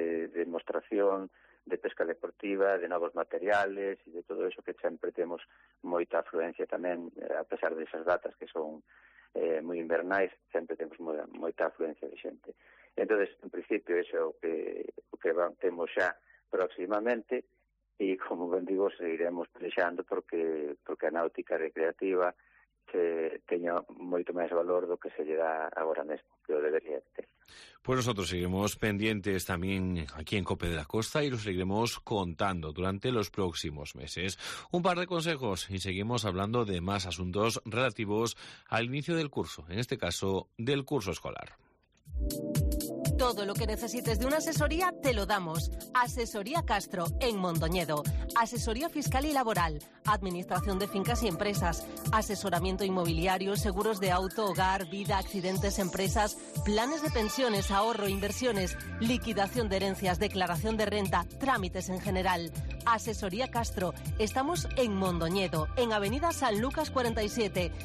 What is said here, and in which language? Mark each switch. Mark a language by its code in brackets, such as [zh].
[gl] demostración de pesca deportiva, de novos materiales e de todo eso, que sempre temos moita afluencia tamén, a pesar de esas datas que son moi invernais, sempre temos moita afluencia de xente. Entón, en principio, eso é o que temos xa próximamente, e como ben digo, seguiremos presionando porque a náutica recreativa teña moito máis valor do que se lle dá agora mesmo, que o debería ter. [es] Pues nosotros seguiremos pendientes también aquí en COPE de la Costa y lo seguiremos contando durante los próximos meses. Un par de consejos y seguimos hablando de más asuntos relativos al inicio del curso, en este caso del curso escolar. Todo lo que necesites de una asesoría te lo damos. Asesoría Castro, en Mondoñedo. Asesoría fiscal y laboral, administración de fincas y empresas, asesoramiento inmobiliario, seguros de auto, hogar, vida, accidentes, empresas, planes de pensiones, ahorro, inversiones, liquidación de herencias, declaración de renta, trámites en general. Asesoría Castro, estamos en Mondoñedo, en Avenida San Lucas 47.